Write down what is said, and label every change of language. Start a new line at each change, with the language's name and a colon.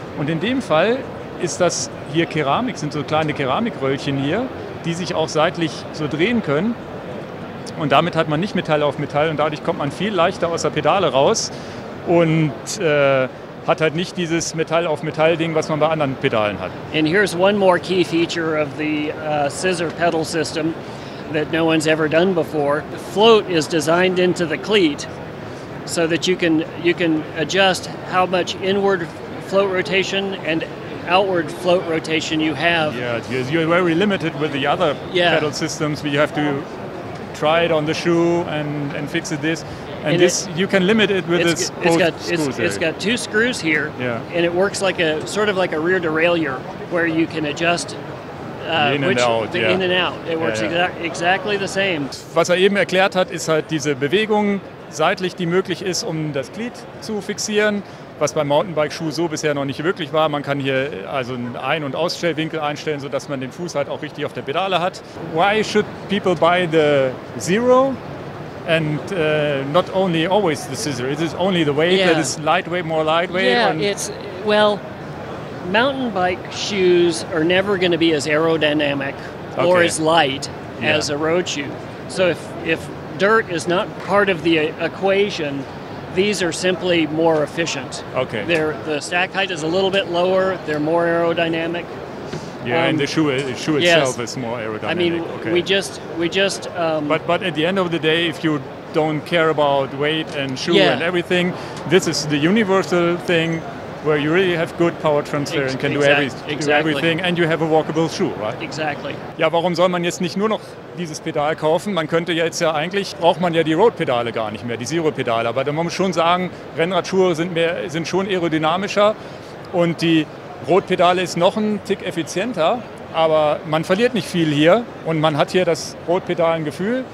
German: Und in dem Fall ist das hier Keramik, sind so kleine Keramikröllchen hier, die sich auch seitlich so drehen können. Und damit hat man nicht Metall auf Metall und dadurch kommt man viel leichter aus der Pedale raus und hat halt nicht dieses Metall auf Metall Ding, was man bei anderen Pedalen hat.
English: And here's one more key feature of the Syzr pedal system that no one's ever done before. The float is designed into the cleat so that you can adjust how much inward float rotation and outward float rotation you have. Yeah, you're very limited with the other pedal systems, but you have to try it on the shoe and fix it this. And this, you can limit it with this screw. It's got two screws here, yeah, and it works like a sort of like a rear derailleur, where you can adjust in and out. It works exactly the same. Was eben erklärt hat, ist halt diese Bewegung seitlich, die möglich ist, um das Glied zu fixieren, was beim Mountainbike-Schuh so bisher noch nicht wirklich war. Man kann hier also einen Ein- und Ausstellwinkel einstellen, sodass man den Fuß halt auch richtig auf der Pedale hat. Why should people buy the Zero? And not only always the Syzr, is it only the weight that is lightweight, more lightweight? Yeah, mountain bike shoes are never going to be as aerodynamic or as light as a road shoe. So if dirt is not part of the equation, these are simply more efficient. Okay. The stack height is a little bit lower, they're more aerodynamic. Yeah, and the shoe itself is more aerodynamic. I mean, we just. But at the end of the day, if you don't care about weight and shoe and everything, this is the universal thing where you really have good power transfer and can do everything, and you have a walkable shoe, right? Exactly.
German: Ja, warum soll man jetzt nicht nur noch dieses Pedal kaufen? Man könnte jetzt ja eigentlich, braucht man ja die Road-Pedale gar nicht mehr, die Zero-Pedale. Aber da muss man schon sagen, Rennradschuhe sind schon aerodynamischer und die Rotpedale ist noch ein Tick effizienter, aber man verliert nicht viel hier und man hat hier das Rotpedalengefühl.